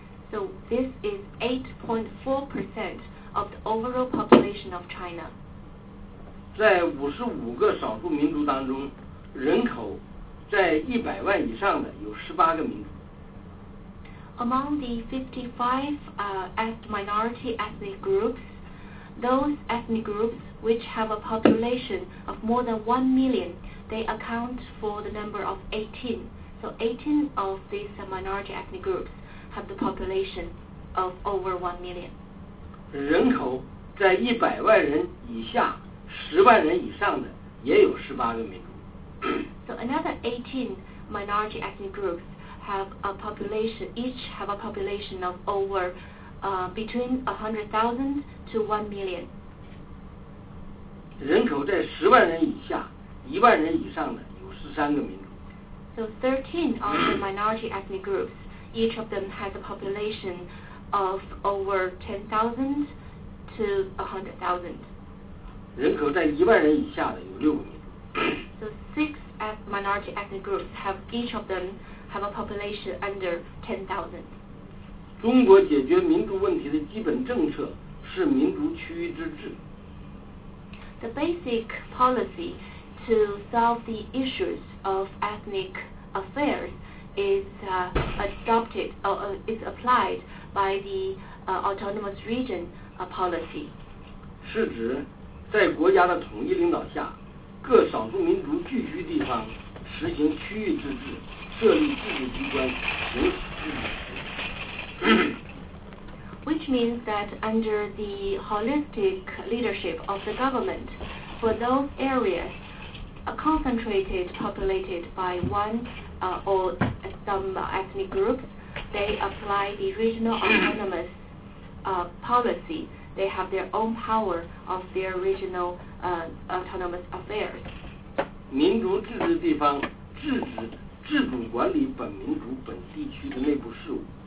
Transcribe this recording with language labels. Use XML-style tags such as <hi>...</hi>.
<en>So this is 8.4% of the overall population of China.</en> <zh>在55个少数民族当中，人口在100万以上的有18个民族。</zh> <en>Among the 55 minority ethnic groups, those ethnic groups which have a population of more than 1 million, they account for the number of 18. So 18 of these minority ethnic groups have the population of over 1 million.</en> <zh>人口在100万人以下，10万人以上的也有18个民族。</zh> <en>So another 18 minority ethnic groups have a population, each have a population of over between 100,000 to 1 million.</en> <zh>人口在10万人以下，1万人以上的有13个民族。</zh> <en>So 13 of the minority ethnic groups, each of them has a population of over 10,000 to 100,000.</en> <zh>人口在一万人以下的有六个民族。</zh> <en>So six minority ethnic groups have each of them have a population under 10,000.</en> <zh>中国解决民族问题的基本政策是民族区域自治。</zh> <en>The basic policy to solve the issues of ethnic affairs is applied by the autonomous region policy.</en> <zh>是指在国家的统一领导下，各少数民族聚居地方实行区域自治，设立自治机关，行使自治权。</zh> <en>Which means that under the holistic leadership of the government, for those areas concentrated, populated by one or some ethnic groups, they apply the regional autonomous policy. They have their own power of their regional autonomous affairs.</en> <zh>民族自治地方自主管理本民族本地区的内部事务。</zh>